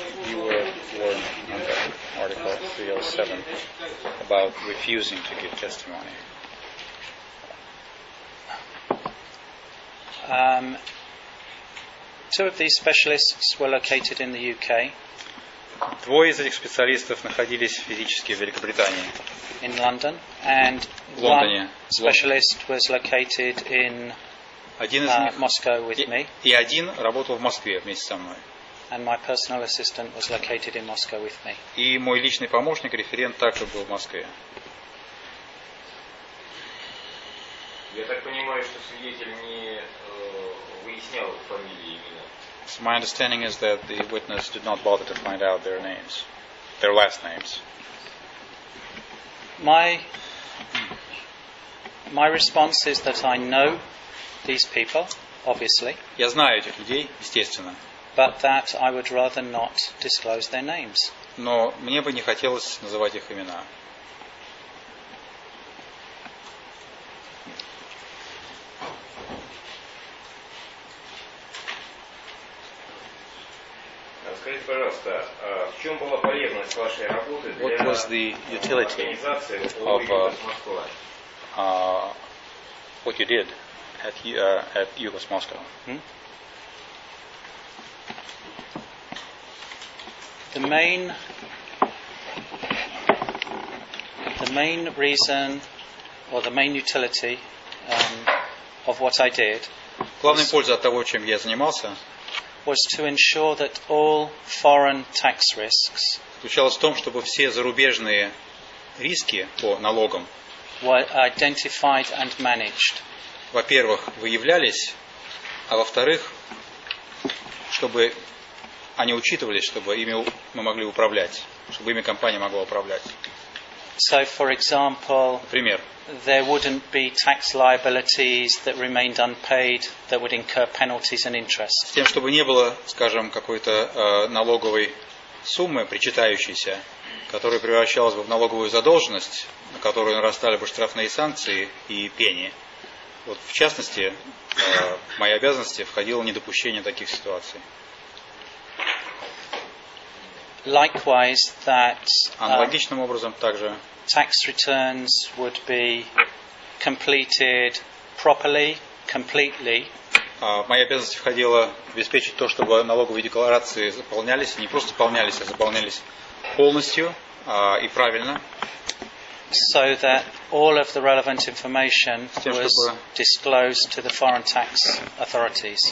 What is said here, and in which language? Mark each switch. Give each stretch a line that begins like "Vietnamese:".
English: You were warned under Article 307 about refusing to give testimony. Two of these specialists were located in the UK.
Russian: Двое из этих специалистов находились физически в Великобритании.
English: In London, and one specialist was located in Moscow with me.
Russian: И один работал в Москве вместе со мной.
English: And my personal assistant was located in Moscow with me.
Russian: И мой личный помощник, референт, также был в Москве. Я так понимаю, что свидетель не выяснял фамилии именно.
English: So my understanding is that the witness did not bother to find out their names, their last names. My response is that I know these people, obviously.
Russian: Я знаю этих людей, естественно.
English: But that I would rather not disclose their names.
Russian: Но мне бы не хотелось называть их имена. Скажите, пожалуйста, в чем была полезность вашей работы для
English: What was the utility
Russian: организации
English: of
Russian: Москва?
English: What you did at at UBS Moscow? The main reason or the main utility of what I did.
Russian: Главная польза от того, чем я занимался.
English: Was to ensure that all foreign tax risks.
Russian: Заключалось в том, чтобы все зарубежные риски по налогам.
English: Were identified and managed.
Russian: Во-первых, выявлялись, а во-вторых, чтобы они учитывались, чтобы ими мы могли управлять, чтобы ими компания могла управлять.
English: So, for example,
Russian: например,
English: there wouldn't be tax liabilities that remained unpaid that would incur penalties and interest.
Russian: С тем, чтобы не было, скажем, какой-то налоговой суммы, причитающейся, которая превращалась бы в налоговую задолженность, на которую нарастали бы штрафные санкции и пени. Вот, в частности, в мои обязанности входило недопущение таких ситуаций.
English: Likewise, that
Russian: аналогичным образом также
English: tax returns would be completed properly, completely.
Russian: Моя обязанность входила обеспечить то, чтобы налоговые декларации заполнялись, не просто заполнялись, а заполнялись полностью и правильно.
English: So that all of the relevant information was disclosed to the foreign tax authorities.